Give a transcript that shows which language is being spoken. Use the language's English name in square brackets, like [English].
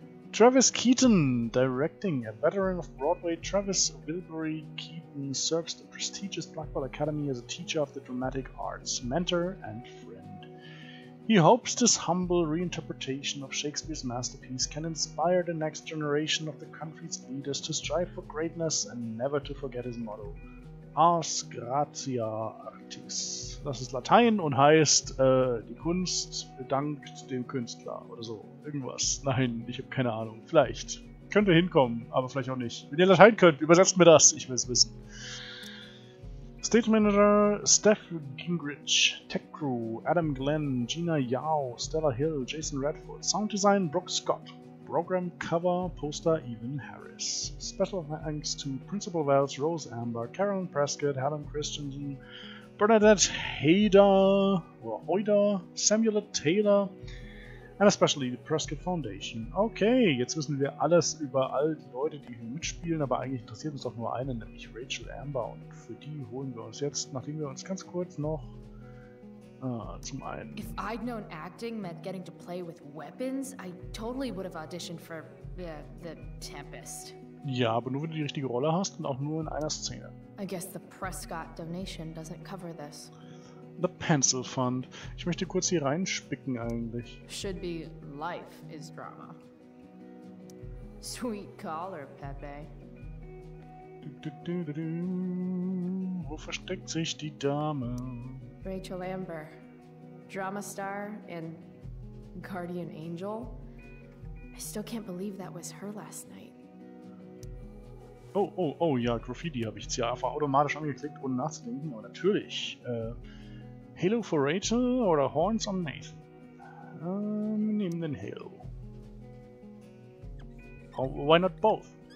[English] Travis Keaton directing. A veteran of Broadway, Travis Wilbury Keaton serves the prestigious Blackwell Academy as a teacher of the dramatic arts, mentor, and friend. He hopes this humble reinterpretation of Shakespeare's masterpiece can inspire the next generation of the country's leaders to strive for greatness and never to forget his motto, Ars Gratia Artis. [German] Das ist Latein und heißt die Kunst dankt dem Künstler oder so. Irgendwas. Nein, ich habe keine Ahnung. Vielleicht. Könnte hinkommen, aber vielleicht auch nicht. Wenn ihr Latein könnt, übersetzt mir das. Ich will es wissen. [English] Stage Manager Steph Gingrich, Tech Crew, Adam Glenn, Gina Yao, Stella Hill, Jason Redford, Sound Design Brooke Scott, Program Cover Poster Evan Harris. Special thanks to Principal Wells, Rose Amber, Carolyn Prescott, Helen Christensen, Bernadette Hader, or Oider, Samuel Taylor, and especially the Prescott Foundation. [German] Okay, jetzt wissen wir alles über all die Leute, die hier mitspielen, aber eigentlich interessiert uns doch nur eine, nämlich Rachel Amber. Und für die holen wir uns jetzt, nachdem wir uns ganz kurz noch zum einen. [English] If I'd known acting meant getting to play with weapons, I totally would have auditioned for the Tempest. [German] Ja, aber nur wenn du die richtige Rolle hast und auch nur in einer Szene. [English] I guess the Prescott donation doesn't cover this. [German] The Pencil Fund. Ich möchte kurz hier reinspicken eigentlich. [English] Should be life is drama. Sweet caller, Pepe. [German] Du, du, du, du, du. Wo versteckt sich die Dame? [English] Rachel Amber, drama star and guardian angel. I still can't believe that was her last night. [German] Oh, oh, oh, ja, Graffiti habe ich jetzt hier einfach automatisch angeklickt, ohne nachzudenken. Aber natürlich. [English] Halo for Rachel [German] oder [English] Horns on Nathan? [German] Nehmen den Halo. [English] Why not both?